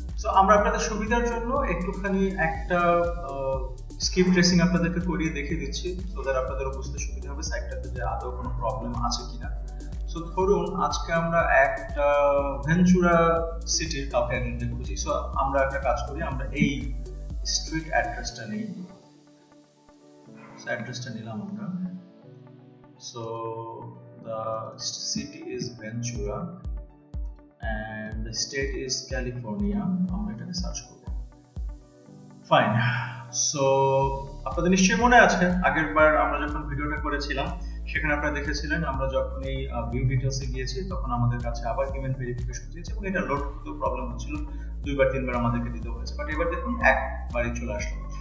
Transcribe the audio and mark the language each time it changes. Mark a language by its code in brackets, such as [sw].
[bn] So আমরা আপনাদের সুবিধার জন্য একটুখানি একটা স্কিপ ট্রেসিং আপনাদেরকে করিয়ে দেখিয়ে দিচ্ছি, সো দ্যাট আপনাদেরও বুঝতে সুবিধা হবে সাইটটাতে যে আদৌ কোনো প্রবলেম আছে কিনা। সো ধরুন আজকে আমরা একটা ভেঞ্চুরা সিটির কাউকে একজনকে খুঁজি, সো আমরা একটা কাজ করি, আমরা এই স্ট্রিট অ্যাড্রেসটা নিই, অ্যাড্রেসটা নিলাম আমরা। [en] so the city is Ventura and the state is California, [bn] আমরা এটাকে সার্চ করব। ফাইন, সো আপনাদের নিশ্চয়ই মনে আছে আগের বার আমরা যখন ভিডিওটা করেছিলাম সেখানে আপনারা দেখেছিলেন আমরা যখন এই ভিউ ডিটেলসে গিয়েছি তখন আমাদের কাছে আবার ইমেল ভেরিফিকেশন দিয়েছে এবং এটা লোড করতে প্রবলেম হচ্ছিল, দুইবার তিনবার আমাদেরকে দিতে হয়েছে, বাট এবার দেখুন একবারই চলে আসলো।